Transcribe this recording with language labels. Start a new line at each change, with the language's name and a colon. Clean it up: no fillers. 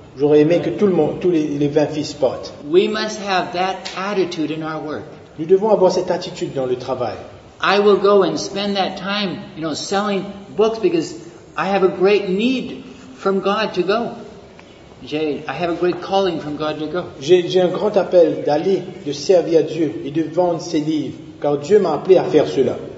French: J'aurais aimé que tout le monde, tous les 20 fils partent.
English: We must have that attitude in our work.
French: Nous devons avoir cette attitude dans le travail.
English: I will go and spend that time, you know, selling books because I have a great need from God to go. I have a great calling from God to go.
French: J'ai un grand appel d'aller, de servir Dieu et de vendre ses livres, car Dieu m'a appelé à faire cela.